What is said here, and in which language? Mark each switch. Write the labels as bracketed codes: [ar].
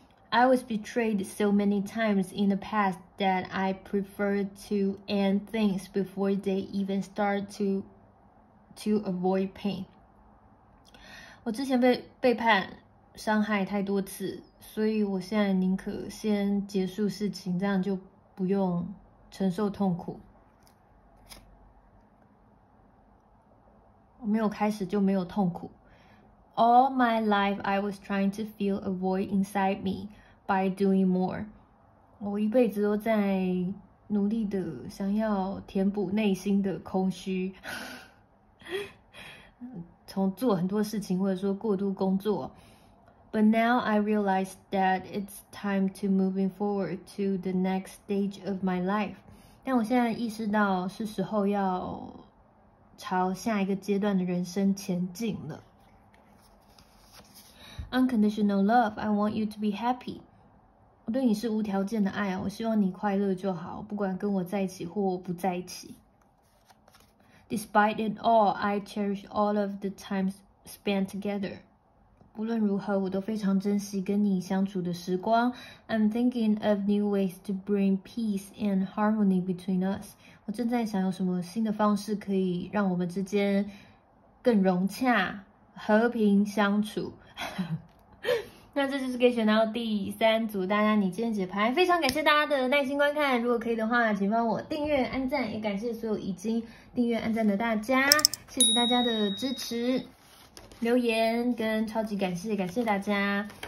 [en] I was betrayed so many times in the past that I prefer to end things before they even start to avoid pain. [zh] 我之前背叛伤害太多次，所以我现在宁可先结束事情，这样就不用承受痛苦。我没有开始就没有痛苦。 [en] All my life, I was trying to fill a void inside me by doing more. [zh] 我一辈子都在努力的想要填补内心的空虚，从做很多事情或者说过度工作。 [en] But now I realize that it's time to moving forward to the next stage of my life. [zh] 但我现在意识到是时候要朝下一个阶段的人生前进了。 [en] Unconditional love, I want you to be happy. [zh] 我对你是无条件的爱，我希望你快乐就好，不管跟我在一起或不在一起。 [en] Despite it all, I cherish all of the times spent together. [zh] 不论如何，我都非常珍惜跟你相处的时光。 [en] I'm thinking of new ways to bring peace and harmony between us. [zh] 我正在想有什么新的方式可以让我们之间更融洽，和平相处。那这就是给选到第三组大家你今天解牌，非常感谢大家的耐心观看。如果可以的话，请帮我订阅、按赞，也感谢所有已经订阅、按赞的大家，谢谢大家的支持、留言跟超级感谢，感谢大家。